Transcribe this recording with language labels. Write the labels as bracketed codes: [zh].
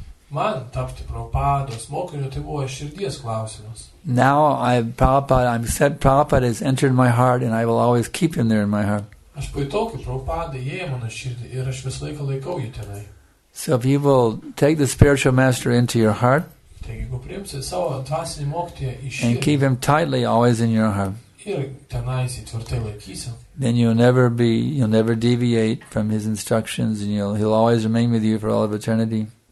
[lt] Man tapti Prabhupados mokiniu, tai buvo širdies klausimas. [en] Now Prabhupada has entered my heart and I will always keep him there in my heart. [lt] Aš pajutau, kaip Prabhupada įėjo mano širdį ir aš visą laiką laikau jį tenai. [en] So if you will take the spiritual master into your heart and keep him tightly always in your heart, then you'll never deviate from his instructions and he'll always remain with you for all of eternity.